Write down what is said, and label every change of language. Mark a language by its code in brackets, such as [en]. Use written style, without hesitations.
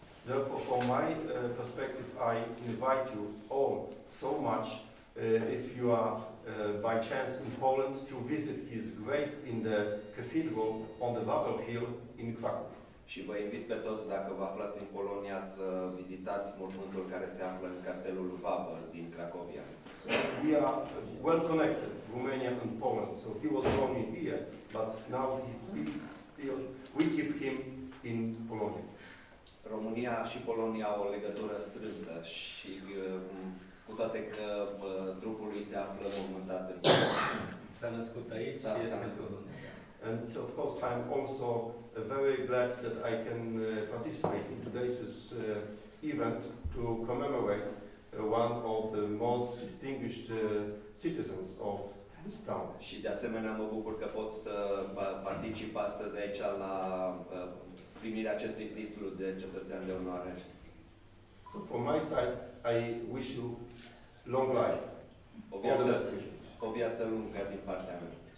[en] Therefore, from my perspective, I invite you all so much, if you are by chance in Poland, to visit his grave in the cathedral on the Wawel Hill in Krakow. [ro] Și vă invit pe toți, dacă vă aflați în Polonia, să vizitați mormântul care se află în castelul Wawel din Cracovia. [en] So we are well connected, Romania and Poland. So he was born in here, but now we keep him in Polonia. [ro] România și Polonia au o legătură strânsă și cu toate că trupul lui se află mormântat în Polonia. S-a născut aici, da, și s-a născut. [en] And of course I'm also very glad that I can participate in today's event to commemorate one of the most distinguished citizens of this town. [ro] Și de asemenea mă bucur că pot să particip astăzi aici la primirea acestui titlu de cetățean de onoare. [en] So from my side I wish you long life. [ro] O viață, o viață lungă din partea mea.